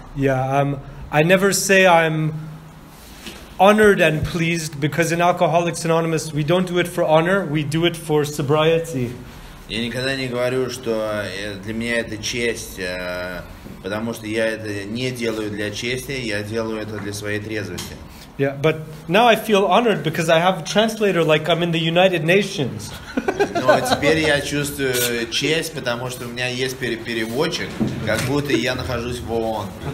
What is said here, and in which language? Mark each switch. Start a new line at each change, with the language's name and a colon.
English: Yeah, I never say I'm honored and pleased, because in Alcoholics Anonymous we don't do it for honor, we do it for sobriety.
Russian: Я никогда не говорю, что для меня это честь, потому что я это не делаю для чести, я делаю это для своей трезвости.
English: Yeah, but now I feel honored because I have a translator, like I'm in the United Nations.
Russian: Но теперь я чувствую честь, потому что у меня есть переводчик, как будто я нахожусь в ООН.